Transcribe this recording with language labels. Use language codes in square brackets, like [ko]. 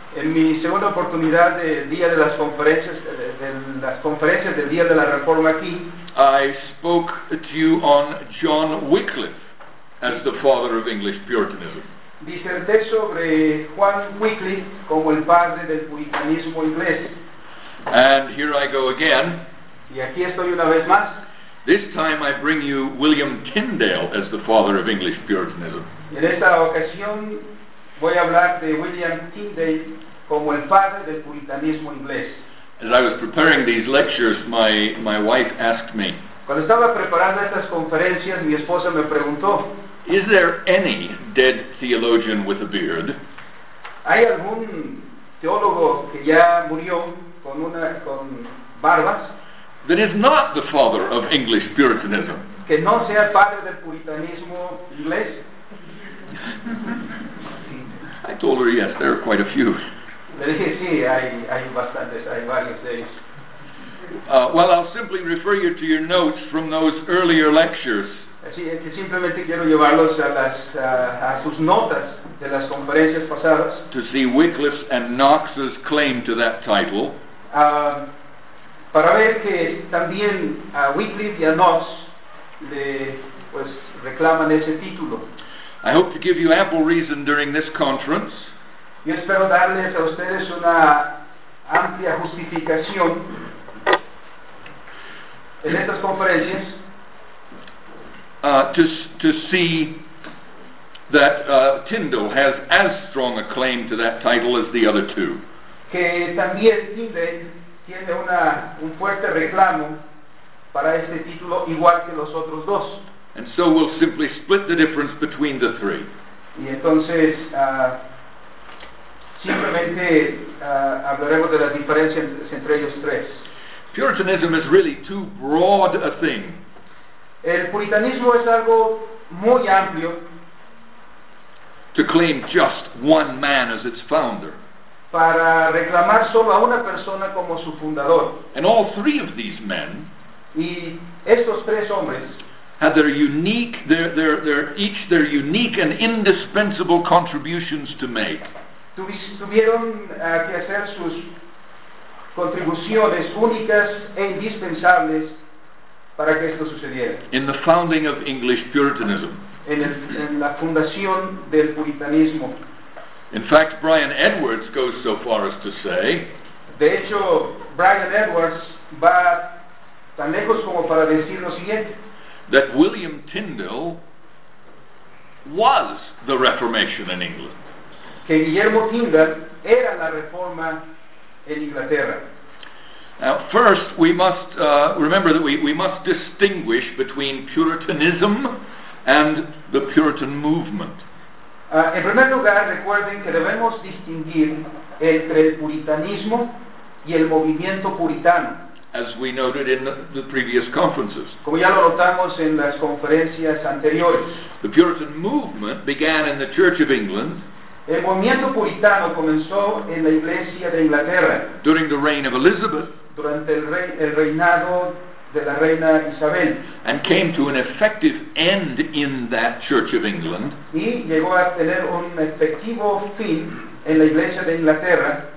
[es] En mi segunda oportunidad del día de las conferencias, de las conferencias del día de la Reforma aquí, [en] I spoke to you on John Wycliffe as the father of English Puritanism. [es] Diserté sobre Juan Wycliffe como el padre del puritanismo inglés. [en] And here I go again. [es] Y aquí estoy una vez más. [en] This time I bring you William Tyndale as the father of English Puritanism. [es] En esta ocasión voy a hablar de William Tyndale como el padre del puritanismo inglés. [en] As I was preparing these lectures, my wife asked me, [es] cuando estaba preparando estas conferencias, mi esposa me preguntó, [en] is there any dead theologian with a beard? [es] ¿Hay algún teólogo que ya murió con una con barbas? [en] That is not the father of English Puritanism. [es] Que no sea padre del puritanismo inglés. [en] I told her yes, there are quite a few. [es] Le dije sí, hay bastantes, hay varios de ellos. [en] Well, I'll simply refer you to your notes from those earlier lectures. [es] Así que simplemente quiero llevarlos a las a sus notas de las conferencias pasadas. [en] To see Wycliffe's and Knox's claim to that title. [es] Para ver que también a Wycliffe y a Knox le pues reclaman ese título. [en] I hope to give you ample reason during this conference. [es] Yo espero darles a ustedes una amplia justificación en estas conferencias. [en] To see that Tyndale has as strong a claim to that title as the other two. [es] Que también Tyndale tiene un fuerte reclamo para este título igual que los otros dos. [en] And so we'll simply split the difference between the three. [es] Y entonces simplemente hablaremos de la diferencia entre ellos tres. [en] Puritanism is really too broad a thing. [es] El puritanismo es algo muy amplio. [en] To claim just one man as its founder. [es] Para reclamar solo a una persona como su fundador. [en] And all three of these men. [es] Y estos tres hombres. [en] Had their unique, their unique and indispensable contributions to make. [es] Tuvieron que hacer sus contribuciones únicas e indispensables. Para que esto sucediera. [en] In the founding of English Puritanism. [es] En la fundación del puritanismo. [en] In fact, Brian Edwards goes so far as to say. [es] De hecho, Brian Edwards va tan lejos como para decir lo siguiente. [en] That William Tyndale was the Reformation in England. [es] Que Guillermo Tyndale era la reforma en Inglaterra. [en] Now, first, we must remember that we must distinguish between Puritanism and the Puritan movement. [es] En primer lugar, recuerden que debemos distinguir entre el puritanismo y el movimiento puritano. [en] As we noted in the previous conferences. [es] Como ya lo notamos en las conferencias anteriores. [en] The Puritan movement began in the Church of England. [es] El movimiento puritano comenzó en la Iglesia de Inglaterra. [en] During the reign of Elizabeth. [es] Durante el reinado de la reina Isabel. [en] And came to an effective end in that Church of England. [es] Y llegó a tener un efectivo fin en la Iglesia de Inglaterra.